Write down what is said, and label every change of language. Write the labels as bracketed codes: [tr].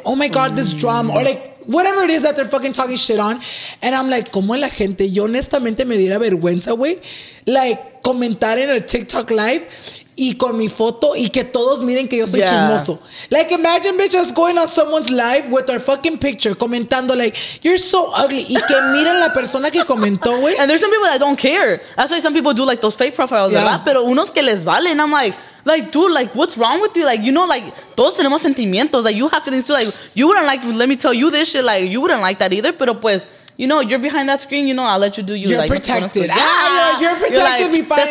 [en] Oh, my God, this drama. Or, like, whatever it is that they're fucking talking shit on. And I'm like, [es] como la gente, yo honestamente me diera vergüenza, güey, like, comentar en el TikTok live y con mi foto y que todos miren que yo soy chismoso. [en] Like, imagine, bitch, just going on someone's live with our fucking picture [es] comentando, [en] like, you're so ugly. [es] Y que miren la persona que comentó, güey. [en] And there's some people that don't care. That's why some people do, like, those fake profiles, ¿verdad? [es] Pero unos que les valen, [en] I'm like, like, dude, like, what's wrong with you? Like, you know, like, [es] todos tenemos sentimientos. [en] Like, you have feelings too. Like, you wouldn't like, let me tell you this shit. Like, you wouldn't like that either. [es] Pero pues, [en] you know, you're behind that screen. You know, I'll let you do you. You're like, protected. You're protected. [es] Mi padre.